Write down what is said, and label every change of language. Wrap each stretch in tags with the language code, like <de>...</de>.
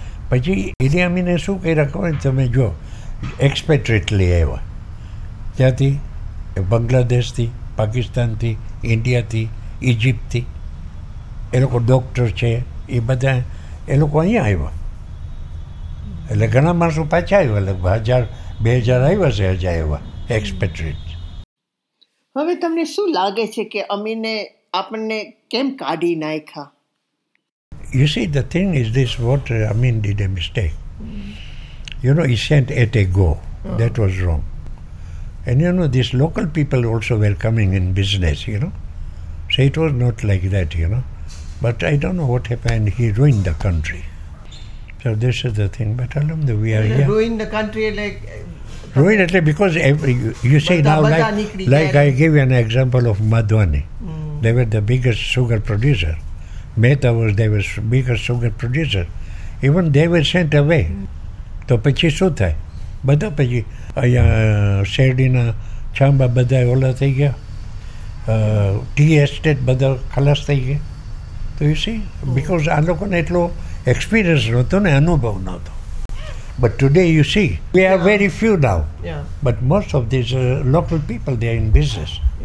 <gu>પછી ઇરિયામીને શું કર્યા ખબર, તમે જો એક્સપેટ્રેટ લઈ આવ્યા ત્યાંથી, બાંગ્લાદેશથી, પાકિસ્તાનથી, ઇન્ડિયાથી, ઇજિપ્તથી, એ લોકો ડૉક્ટર છે એ બધા એ લોકો અહીંયા આવ્યા, એટલે ઘણા માણસો પાછા આવ્યા, લગભગ 1000-2000 આવ્યા છે હજી આવ્યા એક્સપેટ્રેટ. હવે તમને શું લાગે છે કે અમીને આપણને કેમ કાઢી નાખ્યા?</gu> <en>You see the thing is this, what Amin did a mistake. You know, he sent at a go. That was wrong. And you know, these local people also were coming in business, you know. So it was not like that, you know. But I don't know what happened. He ruined the country. So this is the thing. But alhamdulillah, we are here. Ruined the country like... Ruined it because every, you say now, like I give you an example of Madhwani. They were the biggest sugar producer. Mehta was the biggest sugar producer. Even they were sent away.</en> <gu>તો પછી શું થાય? બધા પછી અહીંયા શેરડીના છાંબા બધા ઓલા થઈ ગયા, ટી એસ્ટેટ બધા ખલાસ થઈ ગયા. તો યુ સી, બીકોઝ આ લોકોને એટલો એક્સપિરિયન્સ નહોતો ને, અનુભવ નહોતો.</gu> <en>But today you see we are very few now, but most of these local people they are in business.</en>